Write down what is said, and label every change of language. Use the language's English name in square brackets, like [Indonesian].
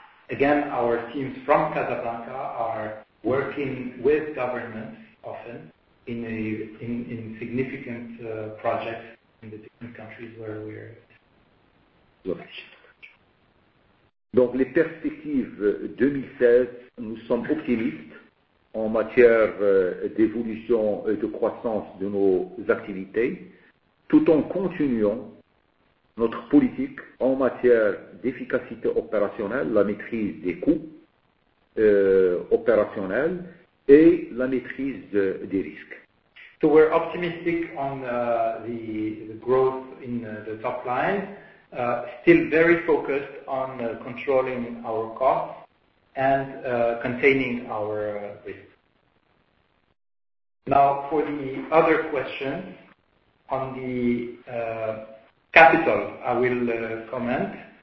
[English] Again, our teams from Casablanca are working with governments often in significant projects in the different countries where we're. [French] Donc les perspectives 2016, nous sommes optimistes en matière d'évolution et de croissance de nos activités, tout en continuant notre politique en matière d'efficacité opérationnelle, la maîtrise des coûts opérationnels et la maîtrise des risques. [English] So we're optimistic on the growth in the top line. Still very focused on controlling our costs and containing our risk. Now, for the other question on the capital, I will comment.